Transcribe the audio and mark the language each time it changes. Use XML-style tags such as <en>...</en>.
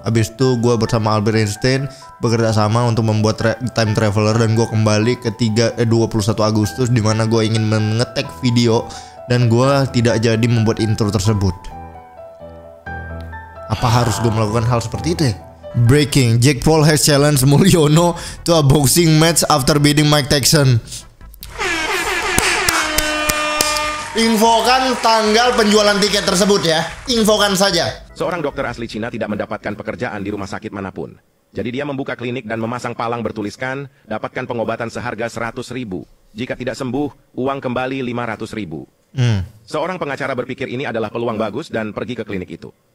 <id>Abis itu gue bersama Albert Einstein bekerja sama untuk membuat time traveler dan gue kembali ke 21 Agustus di mana gue ingin mengetek video dan gue tidak jadi membuat intro tersebut. Apa harus gue melakukan hal seperti itu ya?</id> <en>Breaking, Jake Paul has challenged Mulyono to a boxing match after beating Mike Tyson.</en> <id>Infokan tanggal penjualan tiket tersebut ya. Infokan saja. Seorang dokter asli Cina tidak mendapatkan pekerjaan di rumah sakit manapun. Jadi dia membuka klinik dan memasang palang bertuliskan, dapatkan pengobatan seharga 100 ribu. Jika tidak sembuh, uang kembali 500 ribu. Seorang pengacara berpikir ini adalah peluang bagus dan pergi ke klinik itu.</id>